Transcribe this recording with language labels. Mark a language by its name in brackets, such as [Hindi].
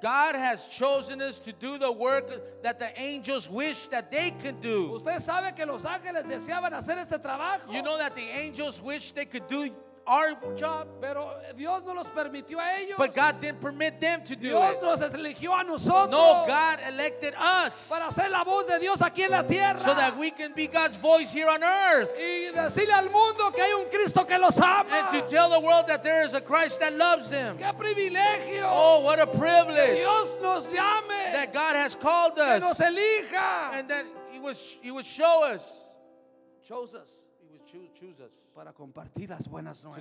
[English] God has chosen us to do the work that the angels wish that they could do. [Spanish] Usted sabe que los ángeles deseaban hacer este trabajo. [English] You know that the angels wish they could do our job. [Spanish] Pero Dios no los permitió a ellos. [English] But God didn't permit them to do [Spanish] Dios [English] it. [Spanish] Nos eligió a nosotros. [English] No, God elected us. [Spanish] Para ser la voz de Dios aquí en la tierra. [English] So that we can be God's voice here on earth. [Spanish] Y decirle al mundo que hay un Cristo que los ama. [English] And to tell the world that there is a Christ that loves them. [Spanish] Qué privilegio. [English] Oh, what a privilege. [Spanish] Que Dios nos llame. [English] That God has called us. [Spanish] Que nos elija. [English] And that he would show us. Chose us. Choose us [Spanish] para compartir las buenas nuevas.